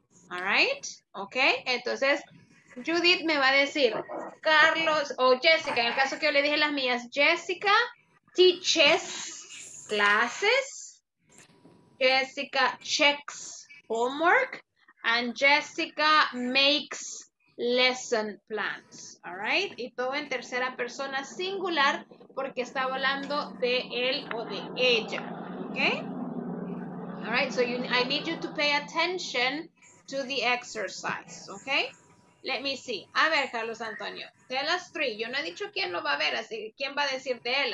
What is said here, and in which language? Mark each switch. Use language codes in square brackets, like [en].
[es] All right, ¿ok? Entonces Judith me va a decir, Carlos, o Jessica, en el caso que yo le dije las mías, [en] Jessica teaches classes, Jessica checks homework, and Jessica makes lesson plans, all right? [es] Y todo en tercera persona singular porque está hablando de él o de ella, okay? [en] All right, so I need you to pay attention to the exercise, okay? Let me see. A ver, Carlos Antonio, tell us 3. [es] Yo no he dicho quién lo va a ver, así que quién va a decir de él.